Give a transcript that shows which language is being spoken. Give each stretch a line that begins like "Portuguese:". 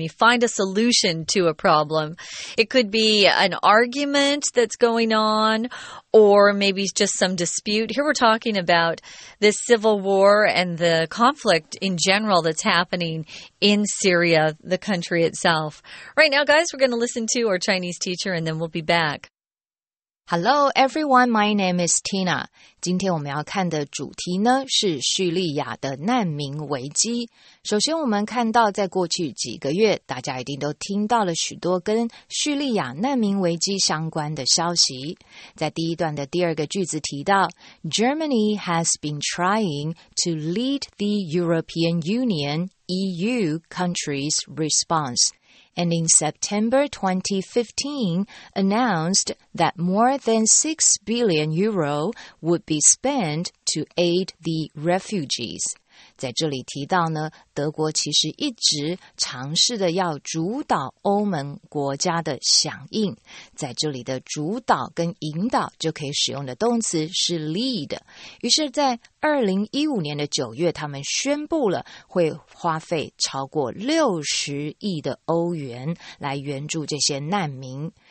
English: You find a solution to a problem. It could be an argument that's going on, or maybe just some dispute. Here we're talking about this civil war and the conflict in general that's happening in Syria, the country itself. Right now, guys, we're going to listen to our Chinese teacher, and then we'll be back. Hello, everyone. My name is Tina.
Chinese: 今天我们要看的主题呢是叙利亚的难民危机。首先我们看到在过去几个月大家一定都听到了许多跟叙利亚难民危机相关的消息。在第一段的第二个句子提到
English: Germany has been trying to lead the European Union EU countries response. And in September 2015, announced that more than 6 billion euro would be spent to aid the refugees.
Chinese: 在这里提到呢，德国其实一直尝试的要主导欧盟国家的响应。在这里的主导跟引导就可以使用的动词是 lead。于是在2015年的9月他们宣布了会花费超过60亿的欧元来援助这些难民。